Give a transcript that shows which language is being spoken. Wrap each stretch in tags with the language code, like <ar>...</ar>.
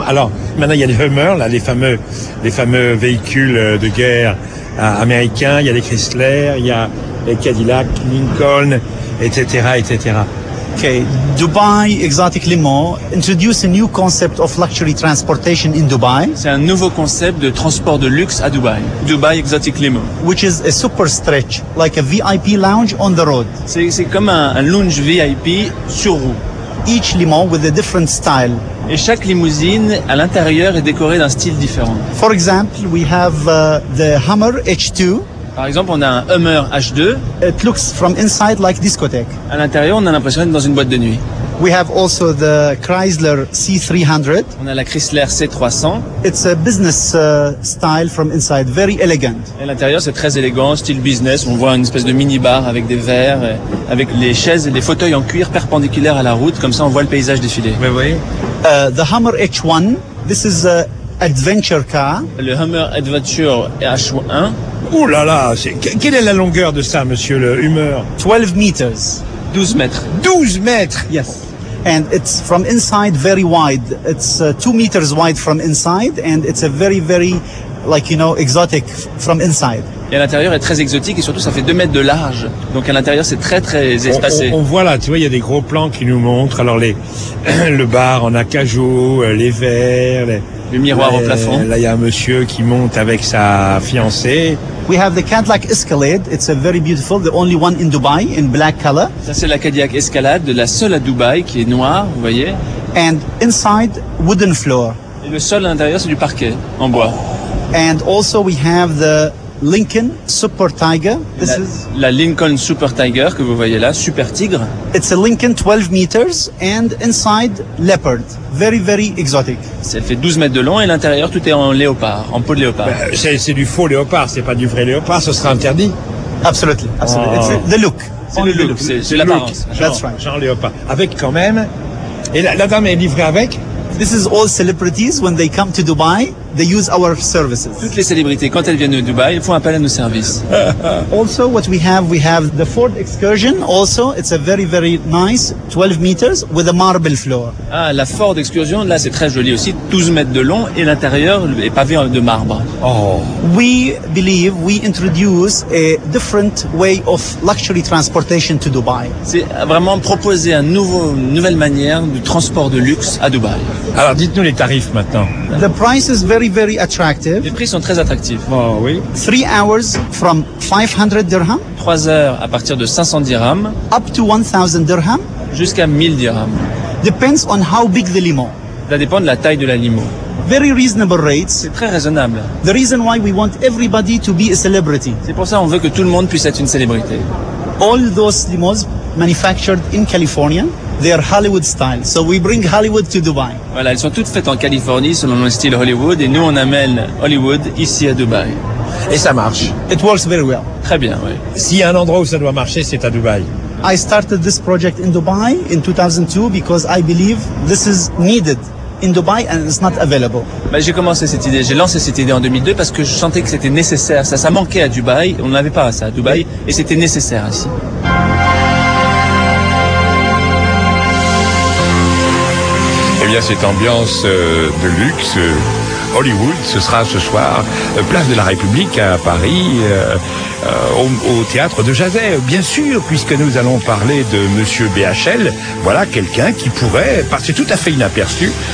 <fr>Alors, maintenant, il y a les Hummers, là, les fameux véhicules de guerre américains. Il y a les Chrysler, il y a les Cadillac, Lincoln, etc., etc.</fr> <en>Okay, Dubai Exotic Limo introduce a new concept of luxury transportation in Dubai.</en> <fr>C'est un nouveau concept de transport de luxe à Dubai.</fr> <en>Dubai Exotic Limo, which is a super stretch, like a VIP lounge on the road.</en> <fr>C'est comme un lounge VIP sur roue.</fr> <en>Each limo with a different style.</en> <fr>Et chaque limousine à l'intérieur est décorée d'un style différent.</fr> <en>For example, we have the Hummer H2.</en> <fr>Par exemple, on a un Hummer H2.</fr> <en>It looks from inside like discotheque.</en> <fr>À l'intérieur, on a l'impression d'être dans une boîte de nuit.</fr> <en>We have also the Chrysler C300.</en> <fr>On a la Chrysler C300.</fr> <en>It's a business style from inside, very elegant.</en> <fr>À l'intérieur, c'est très élégant, style business. On voit une espèce de mini-bar avec des verres, avec les chaises et les fauteuils en cuir perpendiculaires à la route. Comme ça, on voit le paysage défiler. Oui, oui.</fr> <en>The Hummer H1, this is an adventure car.</en> <fr>Le Hummer Adventure H1. Ouh là là, quelle est la longueur de ça, monsieur le Hummer?</fr> <en>12 meters.</en> <fr>12 mètres. 12 mètres?</fr> <en>Yes. And it's from inside very wide. It's 2 meters wide from inside and it's a very, very, like, you know, exotic from inside.</en> <fr>Et à l'intérieur est très exotique et surtout ça fait 2 mètres de large. Donc à l'intérieur c'est très très espacé. On voit là, tu vois, il y a des gros plans qui nous montrent. Alors les le bar en acajou, les verres, le miroir au plafond. Là il y a un monsieur qui monte avec sa fiancée.</fr> <en>We have the Cadillac Escalade. It's a very beautiful, the only one in Dubai in black color.</en> <fr>Ça c'est la Cadillac Escalade, la seule à Dubaï qui est noire, vous voyez.</fr> <en>And inside wooden floor.</en> <fr>Et le sol à l'intérieur c'est du parquet en bois.</fr> <en>And also we have the Lincoln Super Tiger. This is</en> <fr>la Lincoln Super Tiger que vous voyez là, Super Tigre.</fr> <en>It's a Lincoln 12 meters and inside leopard. Very very exotic.</en> <fr>Ça fait 12 mètres de long et l'intérieur tout est en léopard, en peau de léopard. Bah, c'est du faux léopard, c'est pas du vrai léopard, ce sera interdit.</fr> <en>Absolutely, absolutely. Oh. It's the look.</en> <fr>C'est le look. C'est l'apparence. Look.</fr> <en>That's right.</en> <fr>Genre léopard. Avec quand même. Et la dame est livrée avec.</fr> <en>This is all celebrities when they come to Dubai, they use our services.</en> <fr>Toutes les célébrités quand elles viennent de Dubaï, elles font appel à nos services.</fr> <en>Also what we have the Ford Excursion also, it's a very very nice 12 meters with a marble floor.</en> <fr>Ah, la Ford Excursion, là c'est très joli aussi, 12 mètres de long et l'intérieur est pavé de marbre. Oh.</fr> <en>We believe we introduce a different way of luxury transportation to Dubai.</en> <fr>C'est vraiment proposer un nouveau nouvelle manière de transport de luxe à Dubaï. Alors dites-nous les tarifs maintenant.</fr> <en>The price is very very attractive.</en> <fr>Les prix sont très attractifs. Oh oui.</fr> <en>3 hours from 500 dirhams.</en> <fr>3 heures à partir de 500 dirhams.</fr> <en>Up to 1000 dirhams.</en> <fr>Jusqu'à 1000 dirhams.</fr> <en>Depends on how big the limo.</en> <fr>Ça dépend de la taille de la limo.</fr> <en>Very reasonable rates.</en> <fr>C'est très raisonnable.</fr> <en>The reason why we want everybody to be a celebrity.</en> <fr>C'est pour ça on veut que tout le monde puisse être une célébrité.</fr> <en>All those limos manufactured in California. They are Hollywood style, so we bring Hollywood to Dubai.</en> <fr>Voilà, elles sont toutes faites en Californie selon le style Hollywood, et nous on amène Hollywood ici à Dubaï. Et ça marche.</fr> <en>It works very well.</en> <fr>Très bien, oui. S'il y a un endroit où ça doit marcher, c'est à Dubaï.</fr> <en>I started this project in Dubai in 2002 because I believe this is needed in Dubai and it's not available.</en> <fr>Mais j'ai commencé cette idée, j'ai lancé cette idée en 2002 parce que je sentais que c'était nécessaire, ça manquait à Dubaï, on n'avait pas ça à Dubaï, et c'était nécessaire ainsi. Il y a cette ambiance de luxe, Hollywood, ce sera ce soir, place de la République à Paris, au théâtre de Jazet, bien sûr, puisque nous allons parler de Monsieur BHL, voilà quelqu'un qui pourrait passer tout à fait inaperçu</fr>